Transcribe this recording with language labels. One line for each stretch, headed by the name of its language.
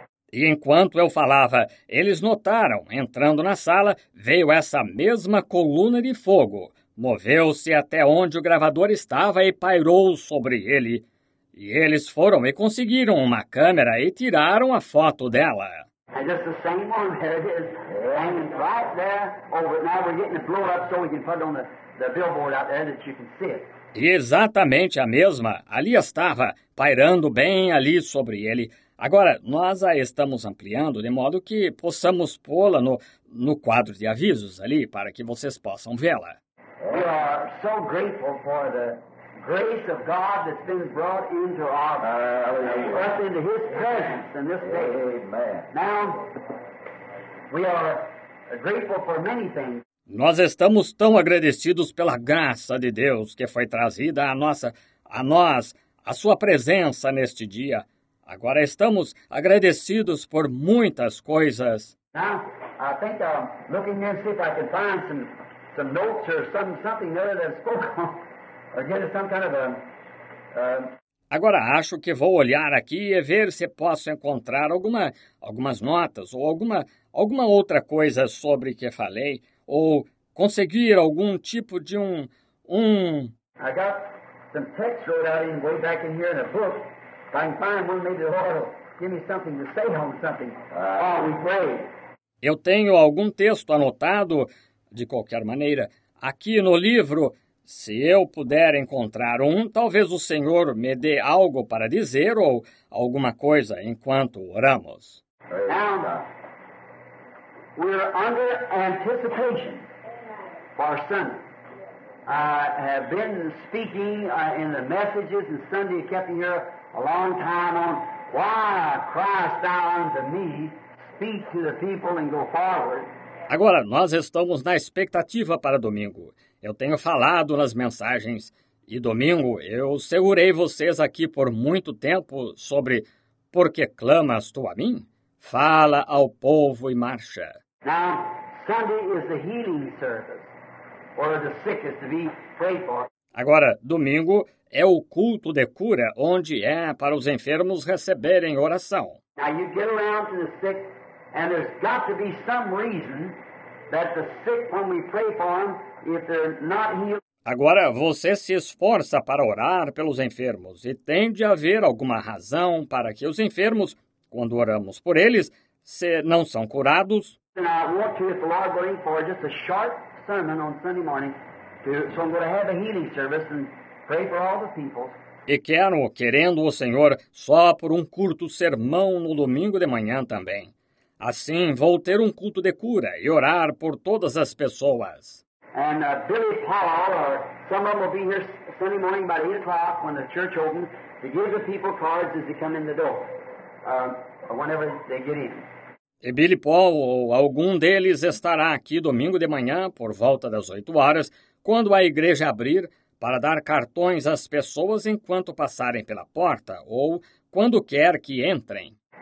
Portuguese: E enquanto eu falava, eles notaram, entrando na sala, veio essa mesma coluna de fogo. Moveu-se até onde o gravador estava e pairou sobre ele. E eles foram e conseguiram uma câmera e tiraram a foto dela.
English: And just the same one, there it is, hanging right there. Over, now we're getting it blown up so we can put it on the billboard out there that you can see it.
Portuguese: E exatamente a mesma, ali estava, pairando bem ali sobre ele. Agora, nós a estamos ampliando de modo que possamos pô-la no quadro de avisos ali, para que vocês possam vê-la.
English: We are so grateful for the grace of God that's been brought into our us into His presence in this day. Amen. Now, we are grateful for many things.
Portuguese: Nós estamos tão agradecidos pela graça de Deus que foi trazida a nós, a sua presença neste dia. Agora estamos agradecidos por muitas coisas.
English: Now, I think I'm looking here to see if I can find some notes or something there that spoke on, or get some kind of a...
Portuguese: Agora acho que vou olhar aqui e ver se posso encontrar algumas notas ou alguma outra coisa sobre o que falei. Ou conseguir algum tipo de um...
English: I got some text wrote out in way back in here in a book. If I can find one, maybe the Lord will give me something to say on something. We pray.
Portuguese: Eu tenho algum texto anotado, de qualquer maneira, aqui no livro. Se eu puder encontrar um, talvez o Senhor me dê algo para dizer ou alguma coisa enquanto oramos.
English: We are under anticipation for Sunday. I have been speaking in the messages and Sunday kept here a long time on why Christ thou unto me, speak to the people and go forward.
Portuguese: Agora, nós estamos na expectativa para domingo. Eu tenho falado nas mensagens e domingo eu segurei vocês aqui por muito tempo sobre por que clamas tu a mim? Fala ao povo e marcha.
English: Now, Sunday is the healing service, or the sickest to be prayed for.
Portuguese: Agora, domingo é o culto de cura, onde é para os enfermos receberem oração.
English: Now, you get around to the sick, and there's got to be some reason that the sick, when we pray for them, if they're not healed.
Portuguese: Agora, você se esforça para orar pelos enfermos, e tem de haver alguma razão para que os enfermos, quando oramos por eles, se não são curados.
English: And I want to, if the Lord will aim for just a short sermon on Sunday morning, so I'm going to have a healing service and pray for all the people.
Portuguese: E quero, querendo o Senhor, só por um curto sermão no domingo de manhã também. Assim, vou ter um culto de cura e orar por todas as pessoas.
English: And Billy Paul, or some of them will be here Sunday morning by 8 o'clock when the church opens, to give the people cards as they come in the door, whenever they get in.
Portuguese: E Billy Paul ou algum deles estará aqui domingo de manhã, por volta das 8 horas, quando a igreja abrir, para dar cartões às pessoas enquanto passarem pela porta ou quando quer que entrem.